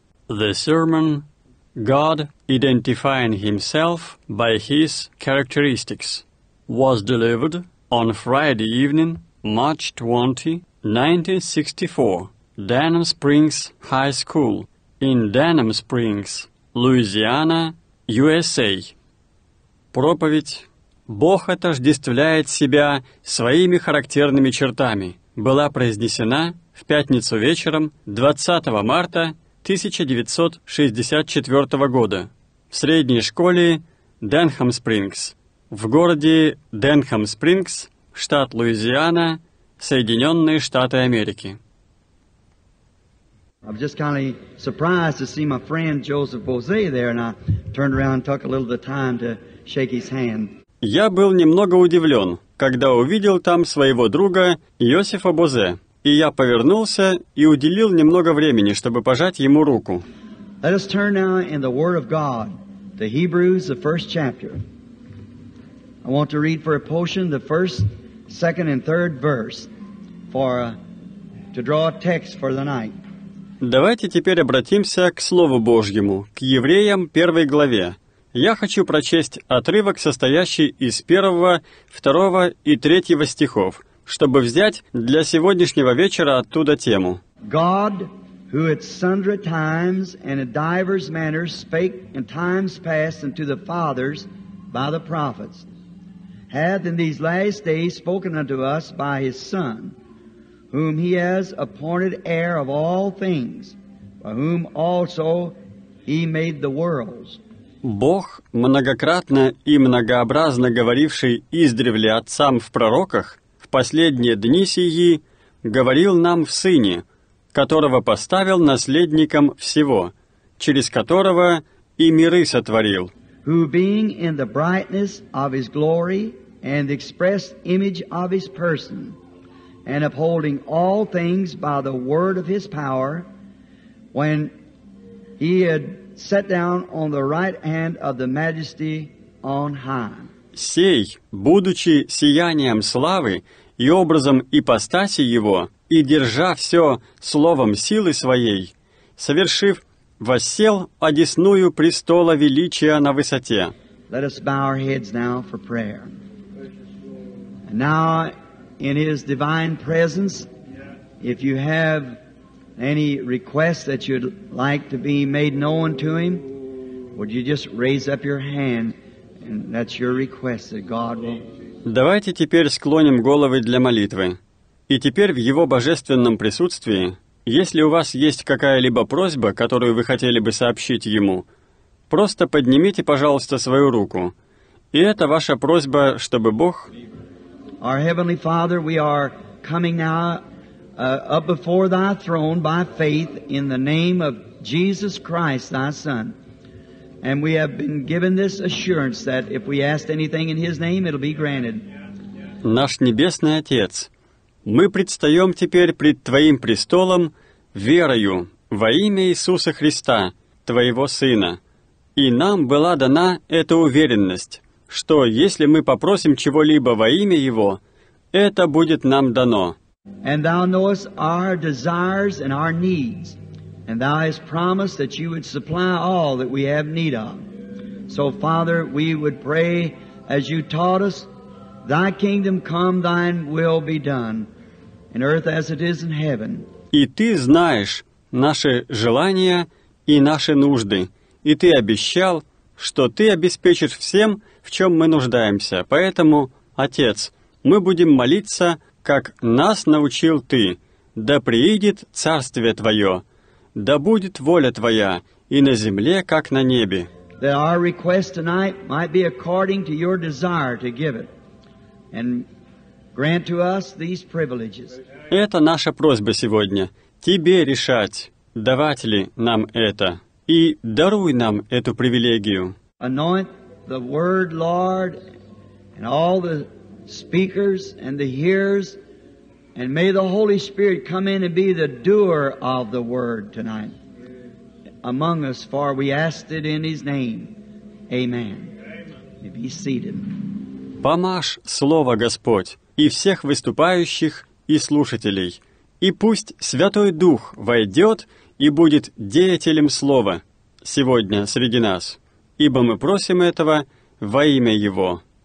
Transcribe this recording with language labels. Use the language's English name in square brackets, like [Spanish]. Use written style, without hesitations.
[English] The sermon, God identifying himself by his characteristics, was delivered on Friday evening, March 20, 1964, Denham Springs High School in Denham Springs, Louisiana, USA. [Russian] Проповедь «Бог отождествляет себя своими характерными чертами» была произнесена в пятницу вечером 20 марта 1964 года в средней школе Денхам Спрингс в городе Денхам Спрингс, штат Луизиана, Соединенные Штаты Америки. [English] I was just kind of surprised to see my friend Joseph Bose there, and I turned around and took a little of the time to shake his hand. [Russian] Я был немного удивлен, когда увидел там своего друга Йосефа Бозе, и я повернулся и уделил немного времени, чтобы пожать ему руку. [English] Let us turn now in the Word of God, to Hebrews, the first chapter. I want to read for a portion the first, second, and third verse for to draw a text for the night. [Russian] Давайте теперь обратимся к Слову Божьему, к Евреям, первой главе. Я хочу прочесть отрывок, состоящий из первого, второго и третьего стихов, чтобы взять для сегодняшнего вечера оттуда тему. [English] God, who at sundry times and in divers manners spake in times past unto the fathers by the prophets, hath in these last days spoken unto us by his Son, whom he has appointed heir of all things, by whom also he made the worlds. [Russian] Бог, многократно и многообразно говоривший издревле отцам в пророках, в последние дни сии говорил нам в Сыне, которого поставил наследником всего, через которого и миры сотворил. [English] Who being in the brightness of his glory and the express image of his person, and upholding all things by the word of his power, when he had set down on the right hand of the majesty on high. [Russian] Сей, будучи сиянием славы и образом ипостаси его, и держа все словом силы своей, совершив, воссел одесную престола величия на высоте. [English] Let us bow our heads now for prayer. And now, in his divine presence, if you have any request that you'd like to be made known to him, would you just raise up your hand, and that's your request that God will... [Russian] Давайте теперь склоним головы для молитвы. И теперь в его божественном присутствии, если у вас есть какая-либо просьба, которую вы хотели бы сообщить ему, просто поднимите, пожалуйста, свою руку. И это ваша просьба, чтобы Бог... [English] Our Heavenly Father, we are coming now up before Thy throne by faith in the name of Jesus Christ, Thy Son. And we have been given this assurance that if we ask anything in His name, it'll be granted. [Russian] Наш Небесный Отец, мы предстаем теперь пред Твоим престолом верою во имя Иисуса Христа, Твоего Сына. И нам была дана эта уверенность, что если мы попросим чего-либо во имя Его, это будет нам дано. [English] And Thou knowest our desires and our needs, and Thou hast promised that You would supply all that we have need of. So, Father, we would pray as You taught us, Thy kingdom come, Thine will be done, in earth as it is in heaven. [Russian] И Ты знаешь наши желания и наши нужды, и Ты обещал, что Ты обеспечишь всем, в чем мы нуждаемся. Поэтому, Отец, мы будем молиться, как нас научил Ты. Да приидет Царствие Твое, да будет воля Твоя и на земле, как на небе. [English] That our request tonight might be according to Your desire to give it and grant to us these privileges. [Russian] Это наша просьба сегодня. Тебе решать, давать ли нам это. И даруй нам эту привилегию. [English] Anoint the word, Lord, and all the speakers and the hearers, and may the Holy Spirit come in and be the doer of the word tonight among us, for we ask it in His name. Amen. You be seated. [Russian] Помажь Слово Господь и всех выступающих и слушателей, и пусть Святой Дух войдет и будет деятелем Слова сегодня среди нас, ибо мы просим этого во имя Его.